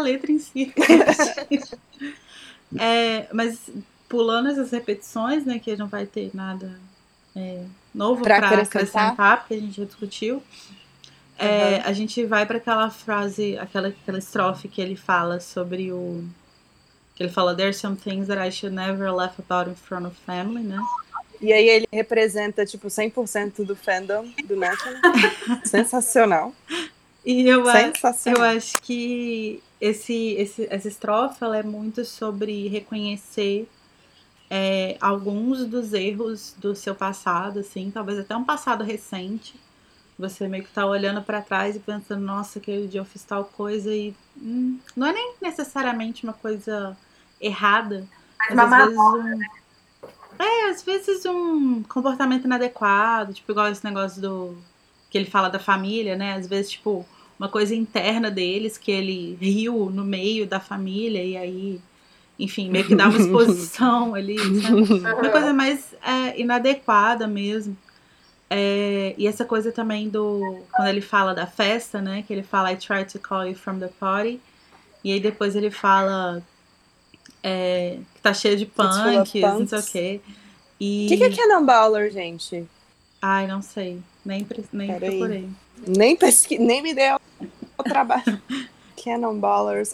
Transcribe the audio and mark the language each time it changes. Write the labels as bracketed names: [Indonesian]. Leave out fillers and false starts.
[Portuguese] letra em si repetir. É, mas pulando essas repetições, né, que a gente não vai ter nada novo Para para acrescentar. acrescentar, porque a gente já discutiu, a gente vai para aquela frase, aquela estrofe que ele fala sobre o. Que ele fala: [English] There are some things that I should never laugh about in front of family, [Portuguese] né? E aí ele representa tipo 100% do fandom do Metal. Sensacional. E eu Sensacional. acho que essa estrofe ela é muito sobre reconhecer alguns dos erros do seu passado, assim, talvez até um passado recente. Você meio que tá olhando para trás e pensando, nossa, aquele dia eu fiz tal coisa e não é nem necessariamente uma coisa errada, mas às Mamãe, vezes um comportamento inadequado, tipo igual esse negócio do que ele fala da família, né? Às vezes, tipo, uma coisa interna deles, que ele riu no meio da família, e aí, enfim, meio que dá uma exposição ali, sabe? Uma coisa mais inadequada mesmo. E essa coisa também do, quando ele fala da festa, né? Que ele fala, [English] I tried to call you from the party. [Portuguese] E aí depois ele fala que tá cheio de [English] It's full of [Portuguese] punks, não punks. sei O que o quê. E. é Cannonballer, gente? Ai, não sei. Nem Peraí. procurei. Nem me deu o trabalho. Cannonballers.